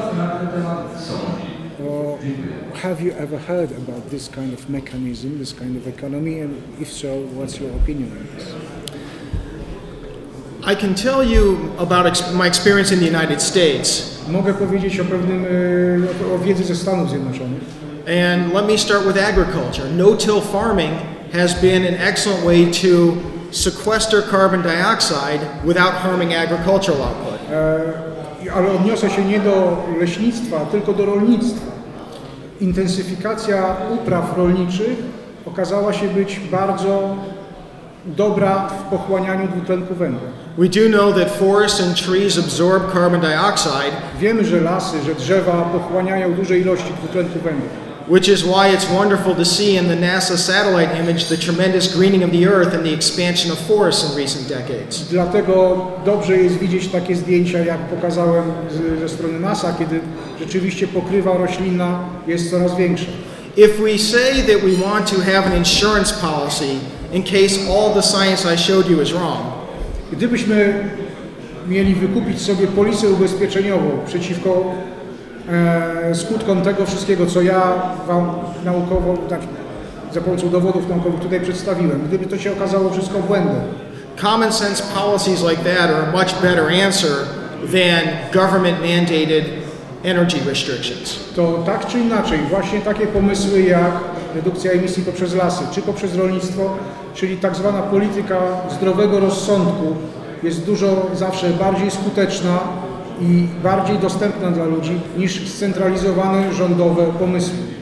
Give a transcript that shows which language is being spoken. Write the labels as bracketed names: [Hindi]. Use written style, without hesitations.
[English] Have you ever heard about this kind of mechanism, this kind of economy, and if so, what's your opinion on this? I can tell you about my experience in the United States. [Polish] Mogę powiedzieć o pewnym, o wiedzy ze Stanów Zjednoczonych. [English] And let me start with agriculture. No-till farming has been an excellent way to sequester carbon dioxide without harming agricultural output. [Polish] Ale odniosę się nie do leśnictwa, tylko do rolnictwa. Intensyfikacja upraw rolniczych okazała się być bardzo dobra w pochłanianiu dwutlenku węgla. [English] We do know that forests and trees absorb carbon dioxide. [Polish] Wiemy, że lasy, że drzewa pochłaniają duże ilości dwutlenku węgla. [English] Which is why it's wonderful to see in the NASA satellite image the tremendous greening of the earth and the expansion of forests in recent decades. [Polish] Dlatego dobrze jest widzieć takie zdjęcia, jak pokazałem ze strony NASA, kiedy rzeczywiście pokrywa roślinna jest coraz większa. [English] If we say that we want to have an insurance policy in case all the science I showed you is wrong. [Polish] Gdybyśmy mieli wykupić sobie polisę ubezpieczeniową przeciwko skutkom tego wszystkiego, co ja wam naukowo, tak, za pomocą dowodów naukowych tutaj przedstawiłem, gdyby to się okazało wszystko błędem. [English] Common sense policies like that are a much better answer than government mandated energy restrictions. [Polish] To tak czy inaczej, właśnie takie pomysły jak redukcja emisji poprzez lasy, czy poprzez rolnictwo, czyli tak zwana polityka zdrowego rozsądku jest dużo zawsze bardziej skuteczna i bardziej dostępna dla ludzi niż scentralizowane rządowe pomysły.